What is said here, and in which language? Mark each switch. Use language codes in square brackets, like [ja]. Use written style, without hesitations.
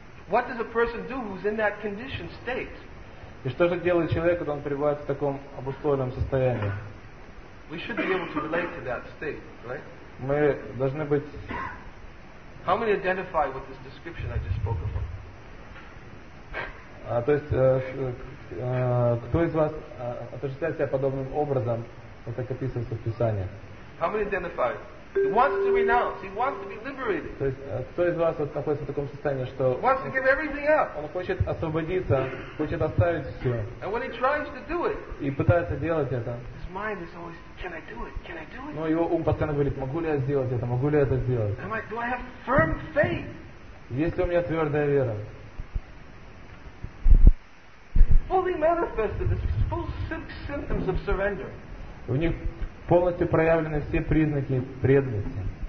[en] What does a person do who's in that conditioned state? [ru] И что же делает человек, когда он пребывает в таком обусловленном состоянии? [en] We should be able to relate to that state, right? [ru] Мы должны быть. [en] How many identify with this description I just spoke about? [ru] То есть кто из вас отождествляет себя подобным образом, вот так описывается в Писании? [en] How many identify? He wants to renounce. He wants to be liberated. [ru] То есть, кто из вас вот находится в таком состоянии, что [en] wants to give everything up. [ru] Он хочет освободиться, хочет оставить все. [en] And when he tries to do it, [ru] и пытается делать это, [en] his mind is always, can I do it? Can I do it? [ru] Но его ум постоянно говорит, могу ли я сделать это? Могу ли я это сделать? [en] Do I have firm faith? [ru] Есть ли у меня твердая вера? [en] Fully manifested, the full symptoms of surrender. [ru] У них полностью проявлены все признаки преданности.